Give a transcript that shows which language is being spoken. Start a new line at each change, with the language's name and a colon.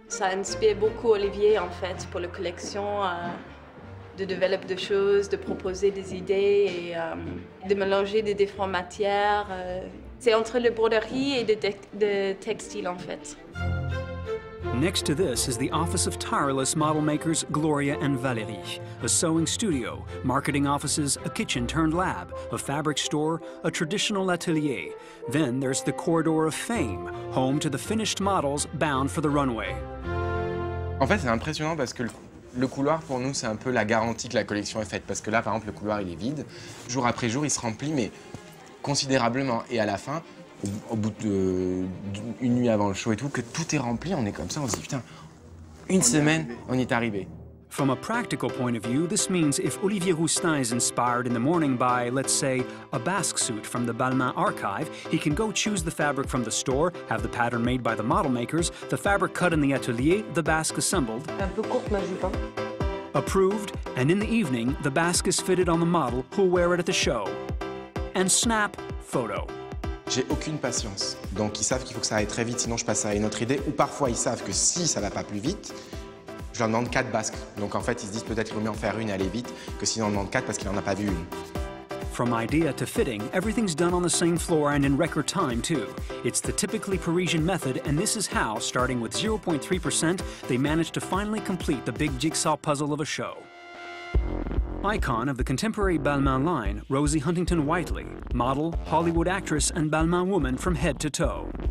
French: Ça a inspiré beaucoup Olivier en fait pour la collection, de développer des choses, de proposer des idées et de mélanger des différentes matières. C'est entre la broderie et le textile en fait.
English: Next to this is the office of tireless model makers Gloria and Valérie, a sewing studio, marketing offices, a kitchen turned lab, a fabric store, a traditional atelier. Then there's the corridor of fame, home to the finished models bound for the runway.
French: En fait, c'est impressionnant parce que le couloir pour nous, c'est un peu la garantie que la collection est faite. Parce que là, par exemple, le couloir il est vide. Jour après jour, il se remplit, mais considérablement. Et à la fin, au bout d'une nuit avant le show et tout, que tout est rempli, on est comme ça, on se dit putain, une semaine, on y est arrivé.
English: From a practical point of view, this means if Olivier Roustan is inspired in the morning by, let's say, a Basque suit from the Balmain archive, he can go choose the fabric from the store, have the pattern made by the model makers, the fabric cut in the atelier, the Basque assembled.
French: Un peu courte, ma jupe, hein?
English: Approved, and in the evening, the Basque is fitted on the model who'll wear it at the show. And snap, photo.
French: J'ai aucune patience. Donc ils savent qu'il faut que ça aille très vite, sinon je passe à une autre idée. Ou parfois ils savent que si ça va pas plus vite, je leur demande 4 basques. Donc en fait ils se disent peut-être qu'il vaut mieux en faire une et aller vite que s'ils en demandent 4 parce qu'il en a pas vu une.
English: From idea to fitting, everything's done on the same floor and in record time too. It's the typically Parisian method, and this is how, starting with 0.3%, they managed to finally complete the big jigsaw puzzle of a show. Icon of the contemporary Balmain line, Rosie Huntington-Whiteley, model, Hollywood actress, and Balmain woman from head to toe.